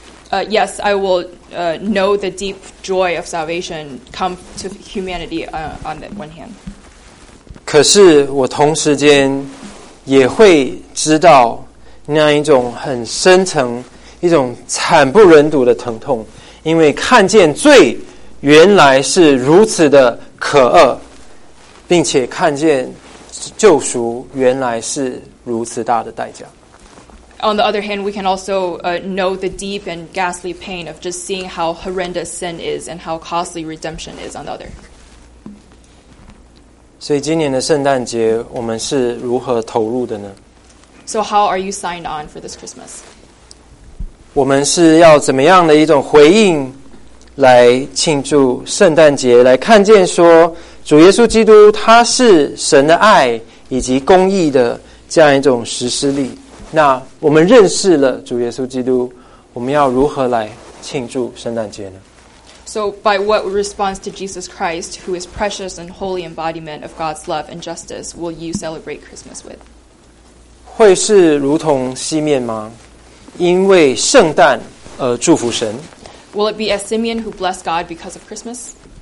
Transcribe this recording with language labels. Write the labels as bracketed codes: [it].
[en] Yes, I will know the deep joy of salvation come to humanity on the one hand. [zh] 可是我同时间也会知道那一种很深层、一种惨不忍睹的疼痛，因为看见罪原来是如此的可恶，并且看见救赎原来是如此大的代价。 [en] on the other hand, we can also know the deep and ghastly pain of just seeing how horrendous sin is and how costly redemption is on the other. [zh] 所以今年的圣诞节我们是如何投入的呢? [en] So how are you signed on for this Christmas? [zh] 我们是要怎么样的一种回应来庆祝圣诞节，来看见说主耶稣基督他是神的爱以及公义的这样一种实施力。那我们认识了主耶稣基督，我们要如何来庆祝圣诞节呢？ [en] So by what response to Jesus Christ, who is precious and holy embodiment of God's love and justice, will you celebrate Christmas with? [zh] 会是如同西面吗?因为圣诞而祝福神? [en] Will it be as Simeon who blessed God because of Christmas?